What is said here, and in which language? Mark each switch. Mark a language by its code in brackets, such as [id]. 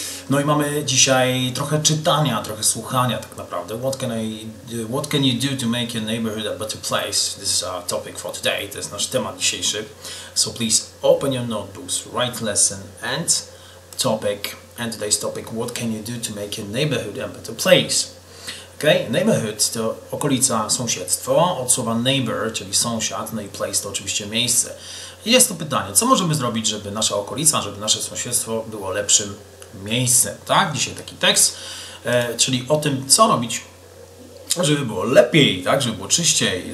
[pl] No i mamy dzisiaj trochę czytania, trochę słuchania tak naprawdę. [en] What can you do to make your neighborhood a better place? This is our topic for today. [pl] To jest nasz temat dzisiejszy. [en] So please open your notebooks, write lesson and topic. And today's topic, what can you do to make your neighborhood a better place? [pl] Okay, neighborhood to okolica, sąsiedztwo, od słowa neighbor, czyli sąsiad, no i place to oczywiście miejsce. I jest to pytanie, co możemy zrobić, żeby nasza okolica, żeby nasze sąsiedztwo było lepszym miejscem, tak? Dzisiaj taki tekst, czyli o tym, co robić, żeby było lepiej, tak? Żeby było czyściej.